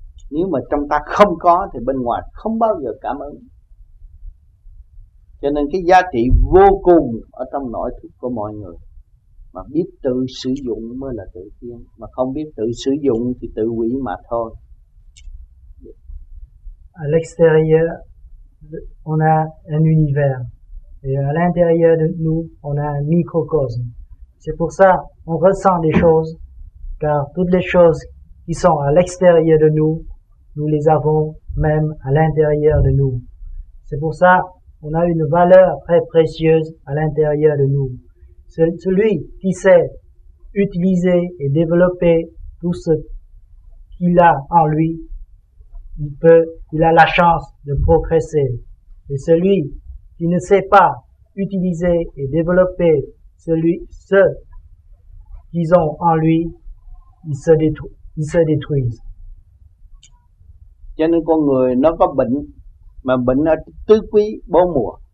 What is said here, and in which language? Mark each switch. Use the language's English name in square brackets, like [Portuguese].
[Vietnamese] Nếu mà trong ta không có thì bên ngoài không bao giờ cảm ứng. Cho nên cái giá trị vô cùng ở trong nội thức của mọi người, mà biết tự sử dụng mới là tự tiên, mà không biết tự sử dụng thì tự hủy mà thôi. [French] À l'extérieur, on a un univers. Et à l'intérieur de nous, on a un microcosme. C'est pour ça qu'on ressent des choses, car toutes les choses qui sont à l'extérieur de nous, nous les avons même à l'intérieur de nous. C'est pour ça qu'on a une valeur très précieuse à l'intérieur de nous. Celui qui sait utiliser et développer tout ce qu'il a en lui, il a la chance de progresser. Et celui qui ne sait pas utiliser et développer ceux qu'ils ont en lui, ils se détruisent. [Vietnamese] Cho nên con người nó có bệnh, mà bệnh ở tứ quý bốn mùa.